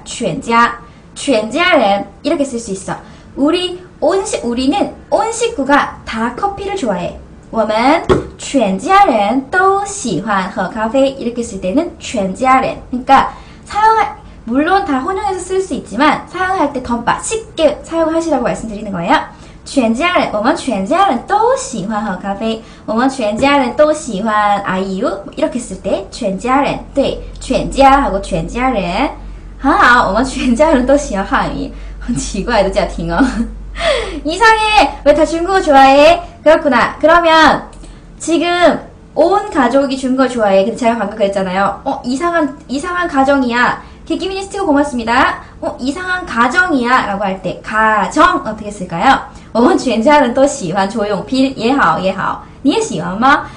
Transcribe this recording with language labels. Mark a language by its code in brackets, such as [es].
[ko] 全家 全家人 이렇게 쓸 수 있어. 우리 우리는 온 식구가 다 커피를 좋아해. [zh] 我们全家人都喜欢喝咖啡 [ko] 이렇게 쓸 때는 全家人 그러니까 사용할 물론 다 혼용해서 쓸 수 있지만 사용할 때 더 쉽게 사용하시라고 말씀드리는 거예요. [zh] 全家人 我们全家人都喜欢喝咖啡 我们全家人都喜欢IU [ko] 이렇게 쓸 때 [zh] 全家人 对 全家하고 全家人 好好 我们全家人都喜欢汉语 奇怪的家庭哦 [ko] 이상해! 왜 다 중국어 좋아해? 그렇구나. 그러면 지금 온 가족이 중국어 좋아해. 근데 제가 방금 그랬잖아요. 이상한 가정이야. 기기미니 스티커 고맙습니다. 이상한 가정이야 라고 할 때 가정 어떻게 쓸까요? [zh] 我们全家人都喜欢 조용필 예하오 예하오 你也喜欢吗?